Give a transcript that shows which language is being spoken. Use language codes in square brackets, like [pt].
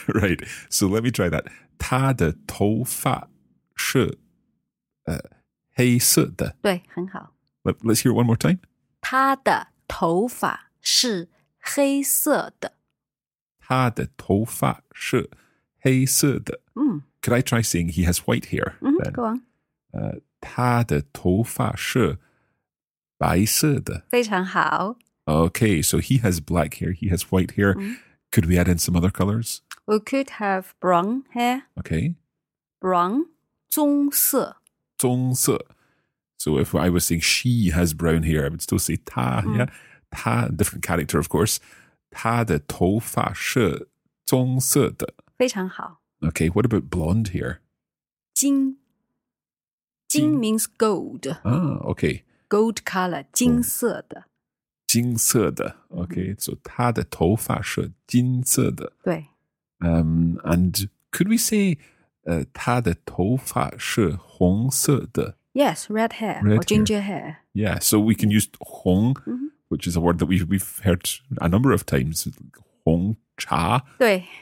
[en] Right. So let me try that. [zh] 他的头发是黑色的。对，很好。 [en] Let's hear it one more time. [zh] 他的头发是黑色的。他的头发是黑色的。 [en] Could I try saying he has white hair? Mm-hmm, go on. [zh] 他的头发是白色的。非常好。 [en] Okay, so he has black hair, he has white hair. Mm-hmm. Could we add in some other colors? We could have brown hair. Okay. Brown, 棕色。 [zh] 棕色。 [en] So if I was saying she has brown hair, I would still say 他, mm-hmm. yeah? 他, different character, of course. [zh] 他的头发是棕色的。非常好。 [en] Okay, what about blonde hair? 金.金 means gold. Ah, okay. Gold color, 金色的. Oh, [zh] 金色的, okay. Mm-hmm. So, 他的头发是金色的. 对. [en] And could we say, [zh] 他的头发是红色的? [en] Yes, red hair red or ginger Hair. Yeah, so we can use 红, mm-hmm. which is a word that we've heard a number of times. [zh] 红茶, 对,